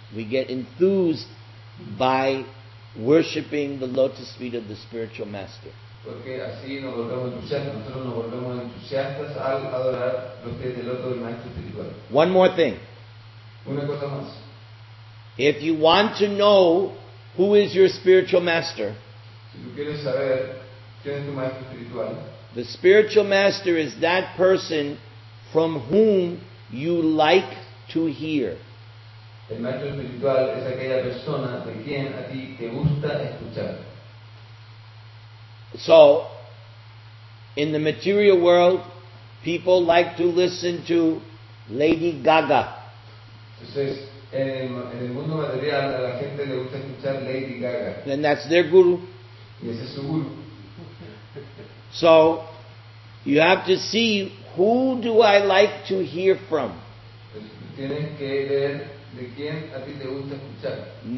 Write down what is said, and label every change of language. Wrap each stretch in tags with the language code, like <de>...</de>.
<en>We get enthused by worshipping the lotus feet of the spiritual master.</en> <es>Porque así nos volvemos entusiastas, nosotros nos volvemos entusiastas al adorar los pies del otro del maestro espiritual.</es> <en>One more thing.</en> <es>Una cosa más.</es> <en>If you want to know who is your spiritual master,</en> <es>si tú quieres saber quién es tu maestro espiritual,</es> <en>the spiritual master is that person from whom you like to hear.</en> <es>El maestro espiritual es aquella persona de quien a ti te gusta escuchar.</es> <en>So, in the material world, people like to listen to Lady Gaga.</en> <es>Entonces, en el mundo material, a la gente le gusta escuchar Lady Gaga.</es> <en>Then that's their guru.</en> <es>Y ese es su guru.</es> <en>So, you have to see, who do I like to hear from?</en> <es>Tienes que ver de quién a ti te gusta escuchar.</es>